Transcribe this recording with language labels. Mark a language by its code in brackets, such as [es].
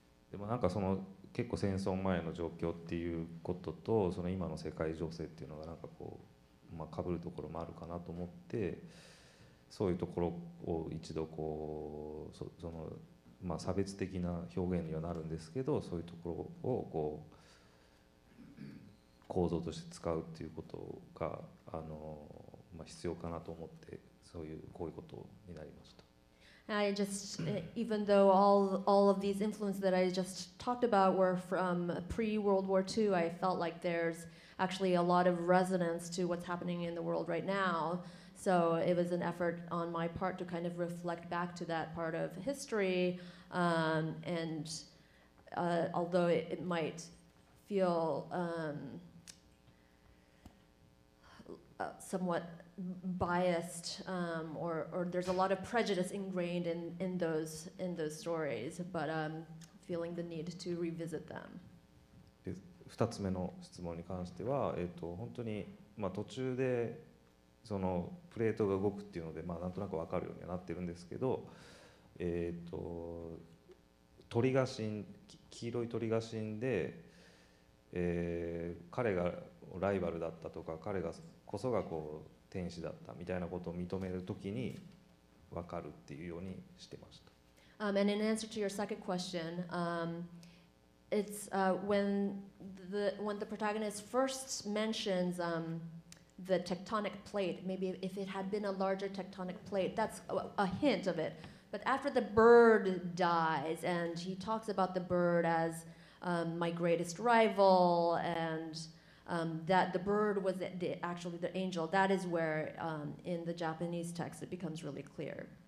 [ja] でもなんかその結構戦争前の状況っていうこととその今の世界情勢っていうのがなんかこう、まあ、被るところもあるかなと思って。そういうところを一度こう その、まあ、差別的な表現にはなるんですけどそういうところをこう構造として使うっていうことがまあ、必要かなと思ってそういうこういうことになりました。 [en] I just, even though all of these influences that I just talked about were from pre-World War II, I felt like there's actually a lot of resonance to what's happening in the world right now. So it was an effort on my part to kind of reflect back to that part of history. And although it might feel somewhat biased, or there's a lot of prejudice ingrained in those stories, but feeling the need to revisit them. [ja] で、二つ目の質問に関しては、本当に、途中でそのプレートが動くっていうので、なんとなく分かるようにはなってるんですけど、鳥が死ん、黄色い鳥が死んで、彼がライバルだったとか、彼がこそがこう天使だったみたいなことを認めるときに分かるっていうようにしてました。 [en] And in answer to your second question, it's when the protagonist first mentions the tectonic plate, maybe if it had been a larger tectonic plate, that's a hint of it. But after the bird dies and he talks about the bird as my greatest rival and that the bird was actually the angel, that is where in the Japanese text it becomes really clear.